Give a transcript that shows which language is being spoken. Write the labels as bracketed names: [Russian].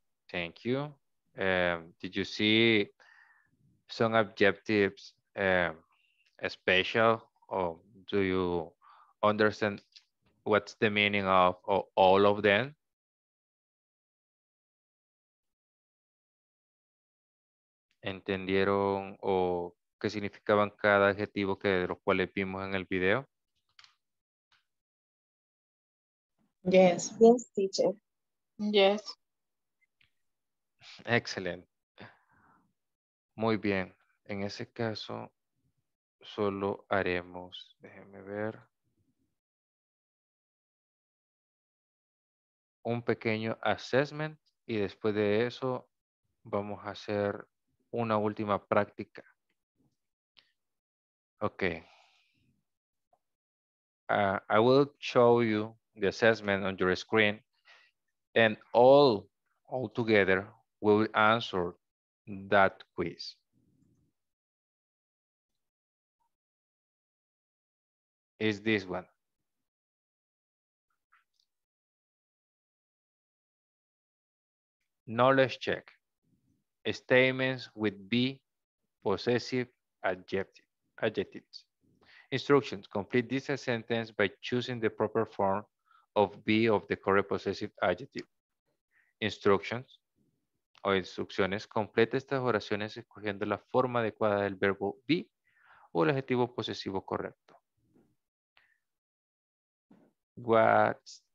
[English] Thank you. Did you see some adjectives special, or do you understand what's the meaning of all of them? [Spanish] ¿Entendieron o qué significaban cada adjetivo que de los cuales vimos en el video? [English] Yes. Yes, teacher. Yes. [Spanish] Excelente. Muy bien. En ese caso, solo haremos, déjeme ver, un pequeño assessment y después de eso vamos a hacer una última práctica. [English] Ok. I will show you the assessment on your screen and all together will answer that quiz. Is this one. Knowledge check. Statements with be possessive adjectives. Instructions. Complete this sentence by choosing the proper form of be of the correct possessive adjective. Instructions. [Spanish] O instrucciones, complete estas oraciones escogiendo la forma adecuada del verbo be o el adjetivo posesivo correcto. What's